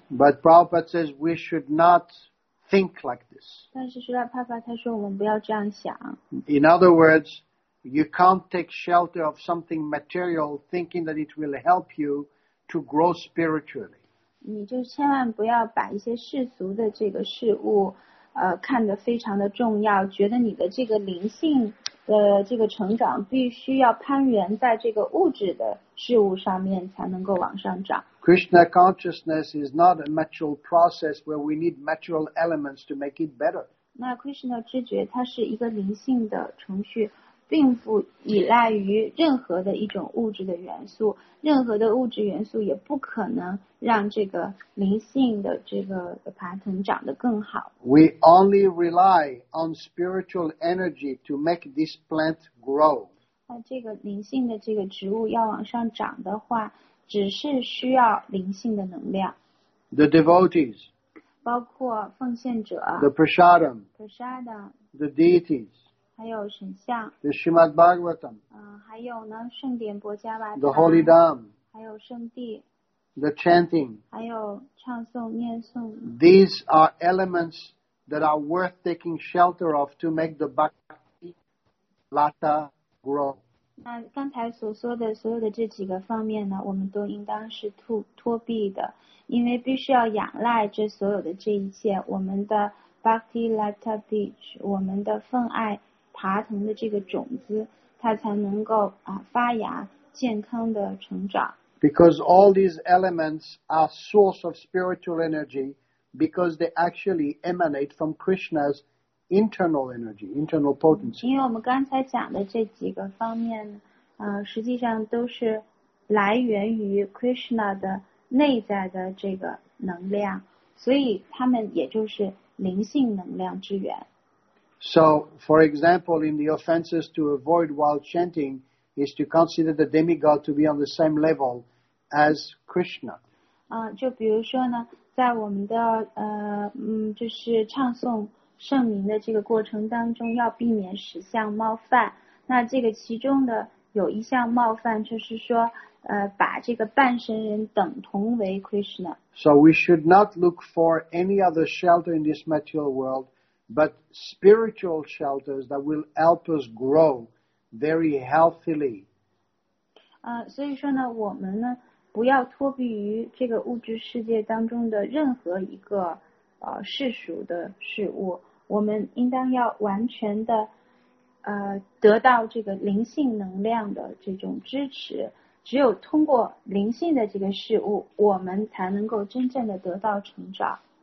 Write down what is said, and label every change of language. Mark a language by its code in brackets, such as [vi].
[en] But Prabhupada says we should not think like this. [zh] 但是 Srila Prabhupada 他说，我们不要这样想。 [en] In other words. You can't take shelter of something material thinking that it will help you to grow spiritually. [zh] 你就千万不要把一些世俗的这个事物看得非常的重要，觉得你的这个灵性的这个成长必须要攀援在这个物质的事物上面才能够往上涨。 [en] Krishna consciousness is not a material process where we need material elements to make it better. [zh] 那 Krishna 知觉它是一个灵性的程序。并不依赖于任何的一种物质的元素，任何的物质元素也不可能让这个灵性的这个pattern长得更好。 [en] We only rely on spiritual energy to make this plant grow. [zh] 那这个灵性的这个植物要往上长的话，只是需要灵性的能量。 [en] The devotees. [zh] 包括奉献者。 [en] The prasadam. Prasadam. The deities. [zh] 还有神像 [en] the Srimad Bhagavatam, [zh] 还有呢圣典博伽瓦塔 [en] the Holy Dham, [zh] 还有圣地 [en] the chanting, [zh] 还有唱诵念诵 [en] these are elements that are worth taking shelter of to make the bhakti lata grow. [zh] 那刚才所说的所有的这几个方面呢我们都应当是托庇的因为必须要仰赖这所有的这一切我们的 bhakti lata beach, 我们的奋爱爬藤的这个种子它才能够发芽健康的成长。 [en] Because all these elements are source of spiritual energy because they actually emanate from Krishna's internal energy, internal potency. [zh] 因为我们刚才讲的这几个方面实际上都是来源于 Krishna 的内在的这个能量所以它们也就是灵性能量之源。 [en] So, for example, in the offenses to avoid while chanting is to consider the demigod to be on the same level as Krishna. [zh] 就比如说呢，在我们的就是唱诵圣名的这个过程当中，要避免十项冒犯。那这个其中的有一项冒犯，就是说把这个半神人等同为 Krishna. [en] So we should not look for any other shelter in this material world. But spiritual shelters that will help us grow very healthily. [zh] 所以说呢，我们呢不要托庇于这个物质世界当中的任何一个世俗的事物，我们应当要完全的得到这个灵性能量的这种支持，只有通过灵性的这个事物，我们才能够真正的得到成长。